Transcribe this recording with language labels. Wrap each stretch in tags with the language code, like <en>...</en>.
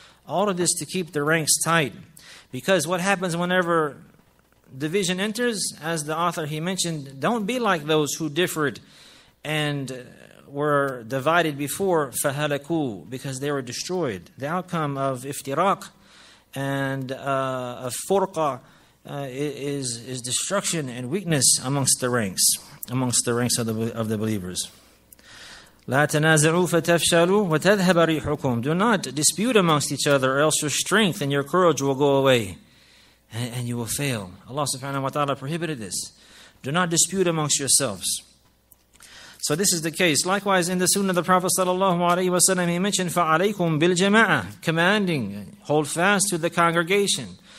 <en>All of this to keep the ranks tight. Because what happens whenever division enters, as the author he mentioned, don't be like those who differed and were divided before, فَهَلَكُوا, because they were destroyed. The outcome of iftiraq and of furqa is destruction and weakness amongst the ranks. Amongst the ranks of the believers.</en> <ar>لا تنازعوا فتفشلوا وتذهب ريحكم.</ar> <en>Do not dispute amongst each other, or else your strength and your courage will go away, and you will fail. Allah subhanahu wa ta'ala prohibited this. Do not dispute amongst yourselves. So this is the case. Likewise, in the Sunnah of the Prophet sallallahu alaihi wasallam, he mentioned</en> <ar>فعليكم بالجماعة,</ar> <en>commanding, hold fast to the congregation.</en>